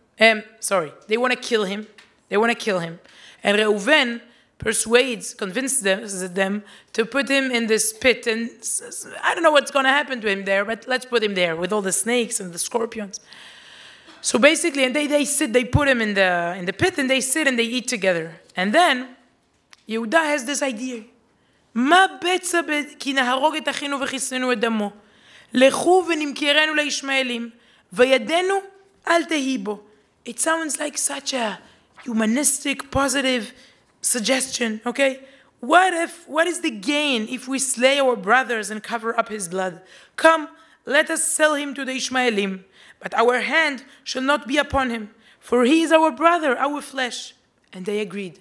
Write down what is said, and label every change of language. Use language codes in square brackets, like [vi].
[en] They want to kill him. They want to kill him. And Reuven convinces them to put him in this pit. And says, I don't know what's going to happen to him there, but let's put him there with all the snakes and the scorpions. So basically, and they sit, they put him in the pit, and they sit and they eat together. And then Yehuda has this idea. [he] מה בצע כי נהרוג את אחינו וחיסנו את דמו? לכו ונמכרנו לישמעאלים, וידנו אל תהי בו. [en] It sounds like such a humanistic, positive suggestion, okay? What is the gain if we slay our brothers and cover up his blood? Come, let us sell him to the ישמעאלים, but our hand shall not be upon him, for he is our brother, our flesh. And they agreed.